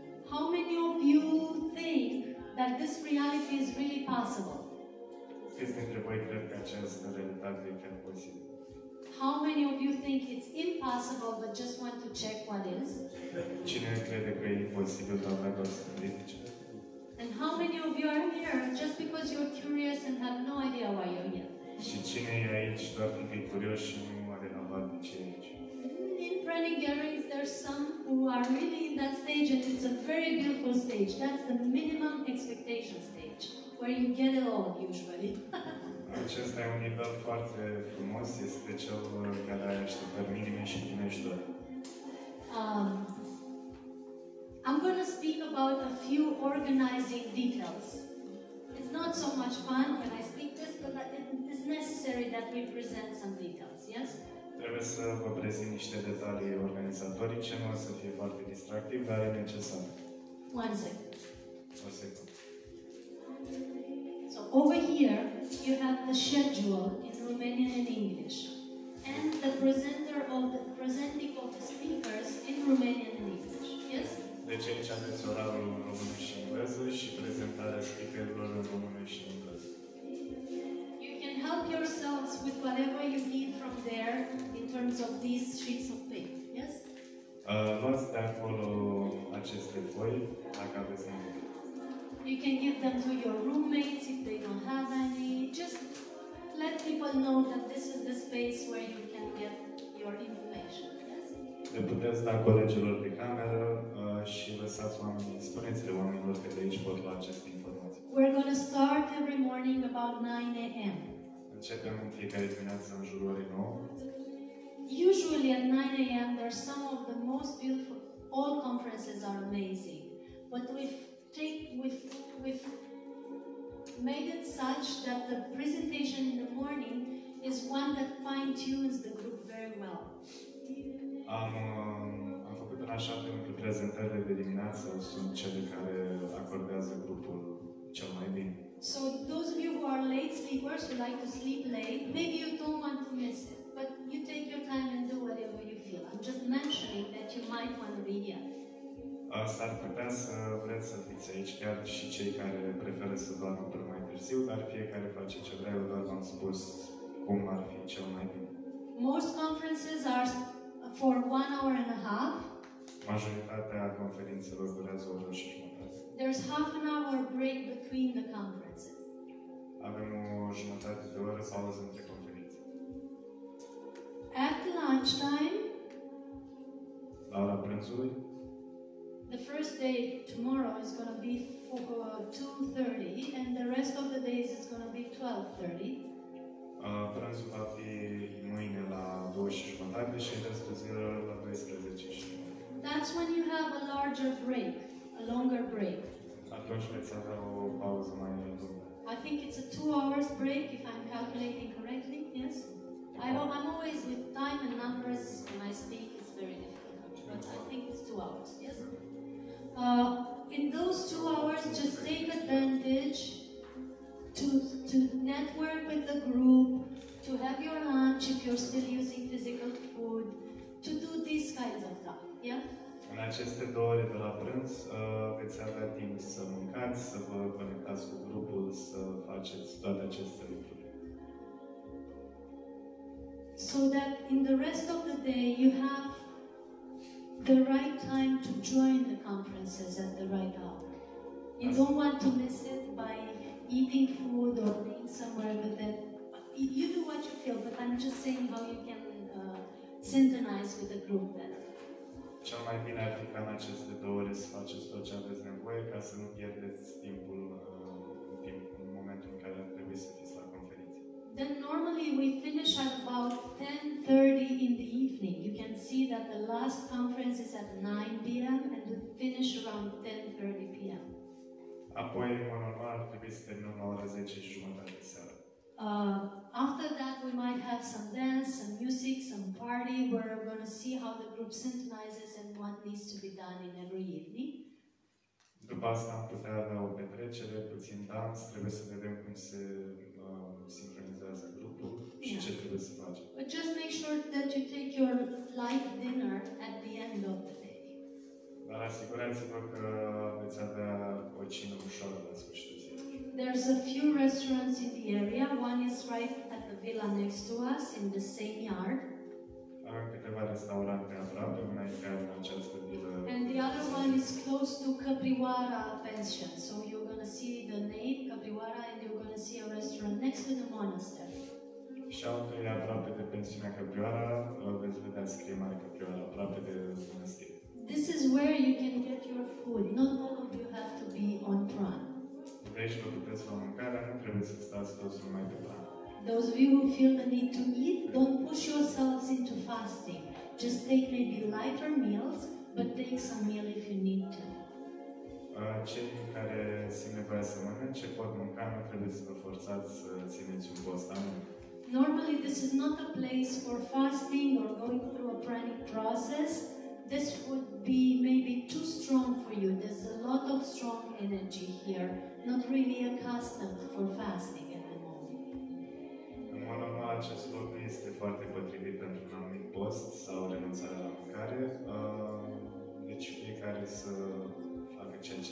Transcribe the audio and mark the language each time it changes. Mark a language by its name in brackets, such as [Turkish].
[English] How many of you think that this reality is really possible? [Romanian] Câți dintre voi cred că această realitate e chiar posibilă? [English] How many of you think it's impossible but just want to check what is? [Romanian] Cine crede că e imposibil doar dacă o să verifice? [English] And how many of you are here just because you're curious and have no idea why you're here? [Romanian] Și cine e aici doar pentru că e curios și nu are habar de ce e aici? [English] In Pranic gatherings there's some who are really in that stage and it's a very beautiful stage. That's the minimum expectation stage where you get it all usually. [Romanian] Acesta e un nivel foarte frumos, este cel care are așteptări minime și primești doar. [English] I'm going to speak about a few organizing details. It's not so much fun when I speak this, but it is necessary that we present some details, yes? [Romanian] trebuie să vă prezint niște detalii organizatorice, nu o să fie foarte distractiv, dar e necesar. [English] One second. [Romanian] O secundă. [English] So over here you have the schedule in Romanian and English, and the presenter of the presenting of the speakers in Romanian and English. Yes? [Romanian] Deci aici aveți orarul în română și engleză și prezentarea speakerilor în română și engleză. [English] You can help yourselves with whatever you need from there in terms of these sheets of paper. Yes? [Romanian] Luați de acolo aceste foi dacă aveți nevoie. [English] You can give them to your roommates if they don't have any. Just let people know that this is the space where you can get your information. [Romanian] Le puteți da colegilor pe cameră și lăsați oamenii, spuneți-le oamenilor că de aici pot lua aceste informații. [English] We're going to start every morning about 9 a.m. [Romanian] Începem în fiecare dimineață în jurul orei 9. [English] Usually at 9 a.m. there are some of the most beautiful, all conferences are amazing. But we've made it such that the presentation in the morning is one that fine-tunes the group very well. [Romanian] Am făcut în așa fel încât prezentările de dimineață sunt cele care acordează grupul cel mai bine. [English] So those of you who are late sleepers, who like to sleep late, maybe you don't want to miss it, but you take your time and do whatever you feel. I'm just mentioning that you might want to be here. [Romanian] S-ar putea să vreți să fiți aici chiar și cei care preferă să doarmă până mai târziu, dar fiecare face ce vrea, eu doar v-am spus cum ar fi cel mai bine. [English] Most conferences are for 1 hour and a half. [Romanian] Majoritatea conferințelor durează o oră și jumătate. [English] There's half an hour break between the conferences. [Romanian] Avem o jumătate de oră pauză între conferințe. [English] At lunchtime. [Romanian] La ora prânzului. [English] The first day tomorrow is going to be 2:30 and the rest of the days is going to be 12:30. [Romanian] Prânzul va fi mâine la 2:30 și restul zilelor la 12:30. [English] That's when you have a larger break, a longer break. [Romanian] Atunci veți avea o pauză mai lungă. [English] I think it's a 2 hours break if I'm calculating correctly, yes? I'm always with time and numbers when I speak, it's very difficult. But I think it's 2 hours, yes? In those 2 hours, just take advantage to network with the group, to have your lunch if you're still using physical food, to do these kinds of stuff, yeah? [Romanian] În aceste 2 ore de la prânz, veți avea timp să mâncați, să vă conectați cu grupul, să faceți toate aceste lucruri. [English] So that in the rest of the day you have the right time to join the conferences at the right hour. You don't want to miss it by eating food or being somewhere with it. You do what you feel, but I'm just saying how you can synchronize with the group then. [Romanian] Cel mai bine ar fi ca în aceste 2 ore să faceți tot ce aveți nevoie ca să nu pierdeți timpul în momentul în care trebuie să fiți la conferință. [English] Then normally we finish at about 10:30 in the evening. You can see that the last conference is at 9 p.m. and we finish around 10:30 p.m. [Romanian] Apoi, în normal, trebuie să terminăm la ora 10:30 seara. [English] After that, we might have some dance, some music, some party. We're going to see how the group synchronizes and what needs to be done in every evening. [Romanian] După asta, am putea avea o petrecere, puțin dans. Trebuie să vedem cum se sincronizează grupul și ce trebuie să facem. [English] But just make sure that you take your light dinner at the end of the day. [Romanian] Dar asigurați-vă că veți avea o cină ușoară la sfârșitul zilei. [English] There's a few restaurants in the area. One is right at the villa next to us, in the same yard. [Romanian] Avem câteva restaurante aproape, una e chiar în această villa. [English] And the other one is close to Căprioara Pension. So you're going to see the name, Căprioara, and you're going to see a restaurant next to the monastery. [Romanian] Și altul e aproape de pensiunea Căprioara, veți vedea scrie mare Căprioara, aproape de [English] monastery. This is where you can get your food. Not all of you have to be on Pranic. [Romanian] Aici vă puteți lua mâncarea, nu trebuie să stați toți numai pe Pranic. [English] Those of you who feel the need to eat, don't push yourselves into fasting. Just take maybe lighter meals, but take some meal if you need to. [Romanian] Cei care simt nevoia să mănânce, pot mânca, nu trebuie să vă forțați să țineți un post anume. [English] Normally, this is not a place for fasting or going through a pranic process. This would be maybe too strong for you. There's a lot of strong energy here. Not really accustomed for fasting at the moment. [Romanian] În mod normal, acest loc este foarte potrivit pentru un anumit post sau renunțare la mâncare. Deci fiecare să facă ceea ce